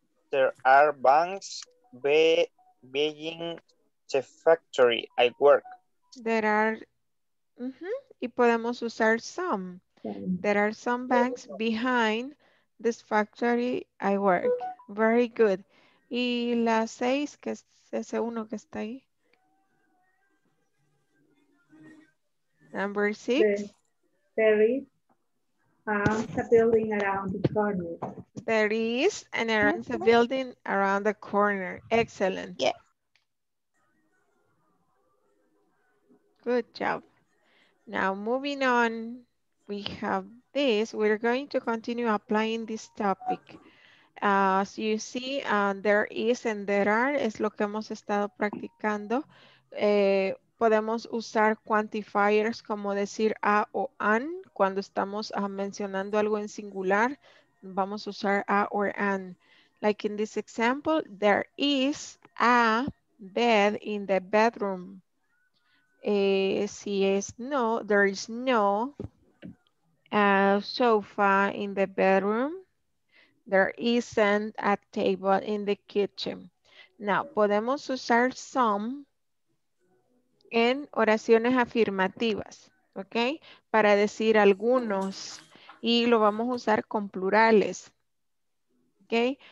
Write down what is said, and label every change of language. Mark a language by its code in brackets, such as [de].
[en] There are banks being the factory I work. There are. [es] Mm-hmm. Y podemos usar some. [en] There are some banks behind this factory I work. Very good. [es] Y la seis, que es ese uno que está ahí. [en] Number six. There is a building around the corner. There is an around the building around the corner. Excellent. Yeah. Good job. Now moving on, we have this. We're going to continue applying this topic. As you see, there is and there are, [es] es lo que hemos estado practicando. Podemos usar quantifiers como decir a o an. Cuando estamos mencionando algo en singular, vamos a usar a or an. [en] Like in this example, there is a bed in the bedroom. [es] Si es no, [en] there is no sofa in the bedroom. There isn't a table in the kitchen. Now, [es] podemos usar some en oraciones afirmativas, ¿ok? Para decir algunos y lo vamos a usar con plurales, ¿ok?